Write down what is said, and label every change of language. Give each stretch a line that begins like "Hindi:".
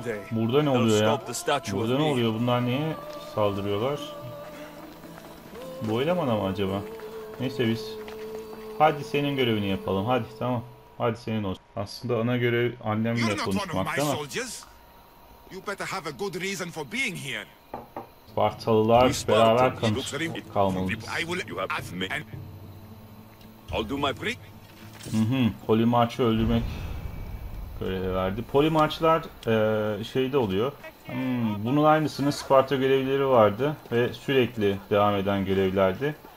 Turkish: Burada ne oluyor ya? Burada ne oluyor? Bunlar niye saldırıyorlar? Bu elemana mı acaba? Neyse biz... Hadi senin görevini yapalım. Hadi tamam. Hadi senin olsun. Aslında ana görev annemle konuşmak ama...
English: You better have a good reason for being here.
Turkish: Spartalılar beraber kalmalıyız.
English: I'll do my break.
Turkish: Polimarch'ı öldürmek görevi verdi. Polimarchlar şeyde oluyor. Bunun aynısını Sparta görevlileri vardı ve sürekli devam eden görevlerdi.